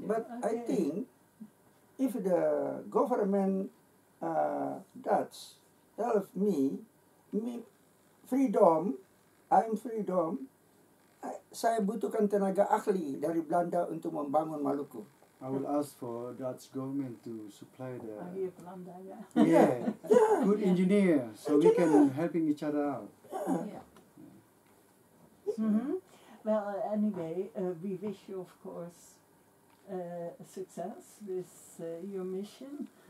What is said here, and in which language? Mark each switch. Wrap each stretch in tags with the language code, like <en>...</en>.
<en>But okay. I think if the government does help me, freedom, I'm freedom.</en> <id>Saya butuhkan tenaga ahli dari Belanda untuk membangun Maluku.</id> <en>I will ask for Dutch government to supply the</en> <id>Belanda,</id> <en>good engineer, so we can helping each other out. Well, anyway, we wish you, of course, success with your mission.</en>